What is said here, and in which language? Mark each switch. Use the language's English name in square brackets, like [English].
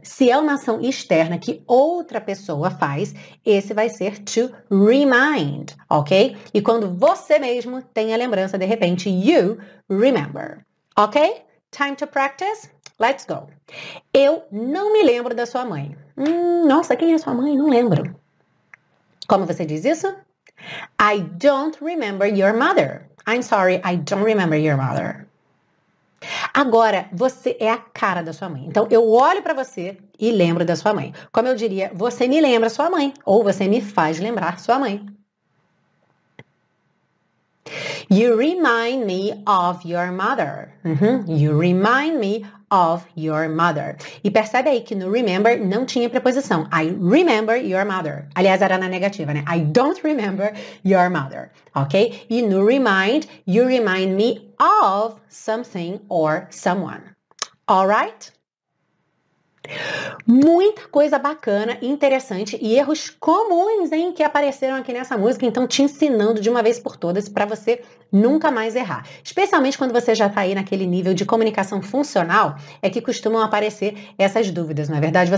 [Portuguese] Se é uma ação externa que outra pessoa faz, esse vai ser to remind, ok? E quando você mesmo tem a lembrança, de repente, [English] you remember, ok? Time to practice? Let's go. [Portuguese] Eu não me lembro da sua mãe. Nossa, quem é sua mãe? Não lembro. Como você diz isso? [English] I don't remember your mother. I'm sorry, I don't remember your mother. [Portuguese] Agora, você é a cara da sua mãe. Então, eu olho para você e lembro da sua mãe. Como eu diria, você me lembra sua mãe. Ou você me faz lembrar sua mãe. [English] You remind me of your mother. Uhum. You remind me of your mother. [Portuguese] E percebe aí que no remember não tinha preposição. [English] I remember your mother. [Portuguese] Aliás, era na negativa, né? [English] I don't remember your mother. [Portuguese] Ok? E no [English] remind, you remind me of something or someone. Alright? [Portuguese] Muita coisa bacana, interessante e erros comuns, hein, que apareceram aqui nessa música, então te ensinando de uma vez por todas para você nunca mais errar. Especialmente quando você já tá aí naquele nível de comunicação funcional, é que costumam aparecer essas dúvidas, não é verdade?